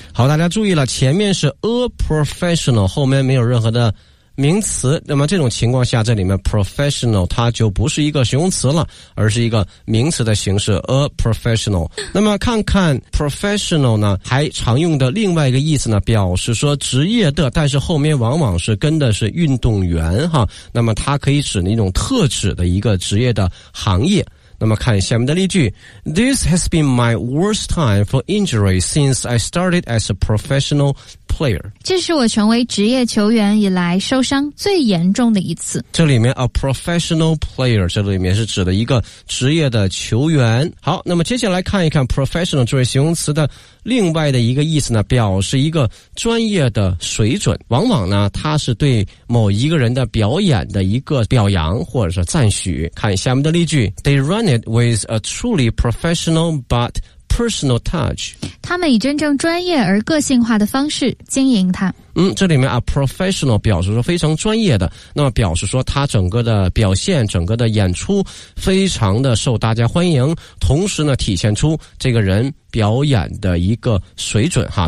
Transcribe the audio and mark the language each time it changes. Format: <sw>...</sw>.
<zh>好，大家注意了，前面是 a professional， 后面没有任何的名词，那么这种情况下这里面 professional 它就不是一个形容词了，而是一个名词的形式 a professional。那么看看 professional 呢还常用的另外一个意思呢，表示说职业的，但是后面往往是跟的是运动员哈，那么它可以指那种特指的一个职业的行业。那么看下面的例句，</zh> <en>This has been my worst time for injury since I started as a professional player.</en> <zh>这是我成为职业球员以来受伤最严重的一次。这里面 a professional player, 这里面是指的一个职业的球员。好，那么接下来看一看 professional 这位形容词的另外的一个意思呢，表示一个专业的水准。往往呢，它是对某一个人的表演的一个表扬或者是赞许。看下面的例句</zh> <en>,They run it with a truly professional but personal touch.</en> <zh>他们以真正专业而个性化的方式经营它。嗯，这里面啊 professional 表示说非常专业的，那么表示说他整个的表现，整个的演出非常的受大家欢迎，同时呢体现出这个人表演的一个水准哈。</zh>